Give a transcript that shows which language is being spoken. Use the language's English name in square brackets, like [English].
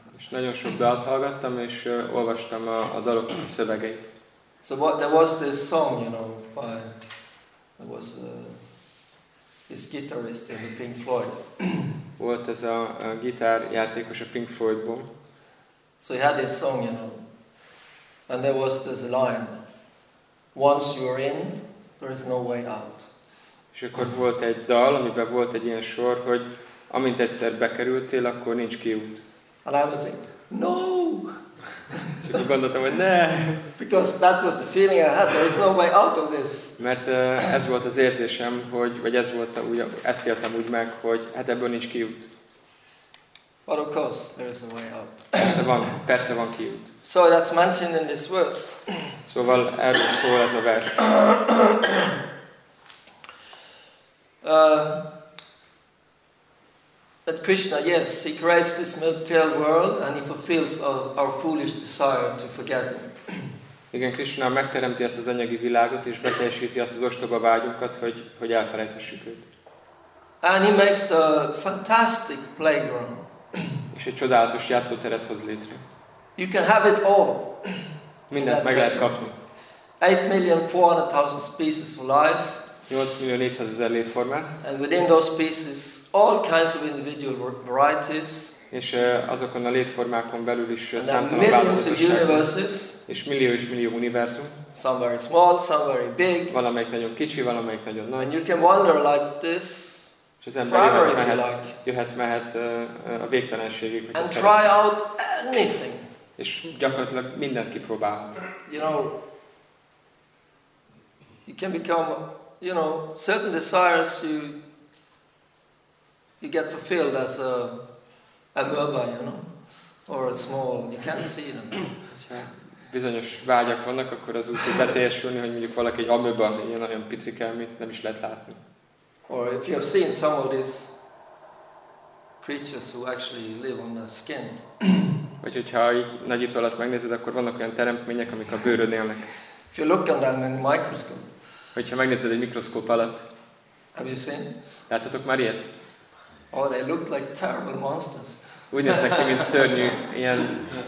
[Hungarian] És nagyon sok dalt hallgattam és olvastam a daloknak a szövegeit. [English] So what, there was this song, you know, by this guitarist in the Pink Floyd. [Hungarian] Volt ez a gitár játékos a Pink Floydból. [English] So he had this song, you know, and there was this line: once you're in, there is no way out. [Hungarian] És akkor volt egy dal, amiben volt egy ilyen sor, hogy amint egyszer bekerültél, akkor nincs kiút. [English] And I was like, no! [Hungarian] És akkor gondoltam, hogy ne! [English] Because that was the feeling I had, there is no way out of this. [Hungarian] Mert ez volt az érzésem, hogy, vagy ez volt, ezt éltem úgy meg, hogy hát ebből nincs kiút. [English] But of course, there is a way out. [Hungarian] persze van kiút. [English] So that's mentioned in this verse. [Hungarian] Szóval erről szól ez a vers. [English] That Krishna, yes, he creates this material world and he fulfills our foolish desire to forget him. [Hungarian] Igen, Krishna megteremti ezt az anyagi világot és beteljesíti azt az ostoba vágyunkat, hogy elfelejtessük őt. [English] And he makes a fantastic playground. [Hungarian] És egy csodálatos játszóteret hoz létre. [English] You can have it all. [Hungarian] Mindent meg lehet kapni. [English] 8,400,000 species of life. [Hungarian] 8,400,000 létformát. [English] And within those species, all kinds of individual varieties. [Hungarian] És azokon a létformákon belül is számtalan változatosság. És millió és millió univerzum. [English] Some very small, some very big. [Hungarian] Valamelyik nagyon kicsi, valamelyik nagyon nagy. [English] And you can wander like this. [Hungarian] És az ember jöhet-mehet a végtelenségig. [English] And try out anything. [Hungarian] És gyakorlatilag mindent kipróbál. [English] You know, you can become, you know, certain desires you get fulfilled as a amoeba, you know, or a small. You can't see them. [Hungarian] Bizonyos vágyak vannak, akkor az úgy beteljesülni, hogy mondjuk valaki egy amoeba, ilyen nagyon picike, mint nem is lehet látni. [English] Or if you have seen some of these creatures who actually live on the skin. [Hungarian] Vagy hogyha így nagy itt alatt megnézed, akkor vannak olyan teremtmények, amik a bőrön élnek. [English] If you look at them in the microscope. [Hungarian] Hogyha megnézed egy mikroszkóp alatt. [English] Have you seen? [Hungarian] Láttatok már ilyet? [English] Oh, they look like terrible monsters. [Hungarian] Úgy néznek ki, mint szörnyű, ilyen...